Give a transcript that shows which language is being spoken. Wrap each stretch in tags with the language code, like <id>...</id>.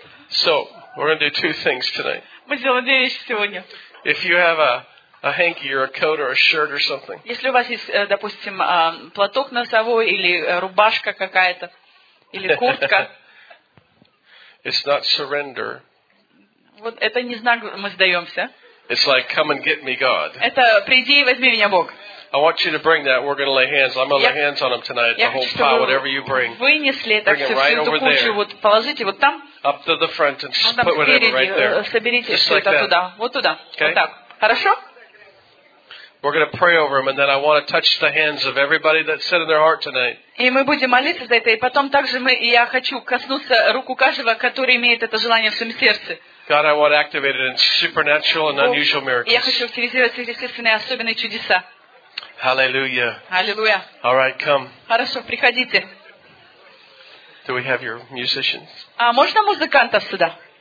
<en>So we're going to do two things tonight.</en> <ru>Мы сделаем две вещи сегодня.</ru> <en>If you have a hanky or a coat or a shirt or something.</en> <ru>Если у вас есть, допустим, платок носовой или рубашка какая-то или куртка.</ru> <en>It's not surrender.</en> <ru>Вот это не знак мы сдаемся.</ru> <en>It's like come and get me, God.</en> <ru>Это приди и возьми меня, Бог.</ru> <en>I want you to bring that. We're going to lay hands. I'm going to lay hands on them tonight. The whole pile, whatever you bring.</en> <ru>Вынесли это все</ru> <en>right over there.</en> <ru>Вот положите вот там.</ru> <en>Up to the front and just put whatever right there.</en> <ru>Соберите все это туда, вот туда, вот так. Хорошо?</ru> <en>We're going to pray over them, and then I want to touch the hands of everybody that said in their heart tonight.</en> <ru>И мы будем молиться за это, и потом также мы, я хочу коснуться руку каждого, который имеет это желание в своем сердце.</ru> <en>God, I want activated in supernatural and unusual miracles.</en> <ru>Я хочу активизировать сверхъестественные особенные чудеса.</ru> <en>Hallelujah. Hallelujah. All right, come.</en> <ru>Хорошо, приходите.</ru> <en>Do we have your musicians?</en> <ru>А можно музыкантов сюда?</ru>